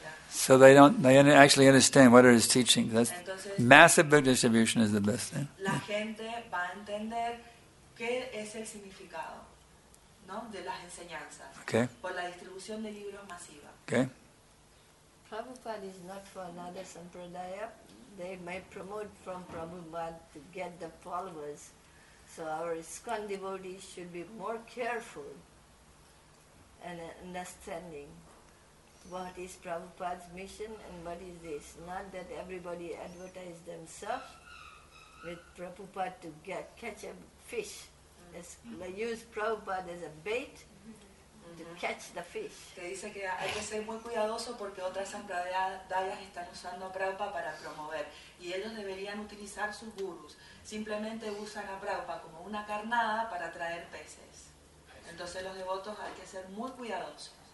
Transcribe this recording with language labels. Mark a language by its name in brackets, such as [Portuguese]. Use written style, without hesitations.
[English] So they actually understand what are his teachings. That's, [Spanish] entonces, [English] massive book distribution is the best thing. [Spanish] La gente va a entender qué es el significado, ¿no? De las enseñanzas. Okay. Por la distribución de libros masiva. Okay. [English] Prabhupada is not for another sampradaya. They may promote from Prabhupada to get the followers. So our ISKCON devotees should be more careful and understanding what is Prabhupada's mission and what is this. Not that everybody advertise themselves with Prabhupada to get catch a fish. They use Prabhupada as a bait to catch the fish. [Spanish] Que dice que hay que ser muy cuidadoso porque otras sampradayas están usando a Prabhupada para promover. Y ellos deberían utilizar sus gurus. Simplemente usan a Prabhupada como una carnada para traer peces. Entonces los devotos hay que ser muy cuidadosos.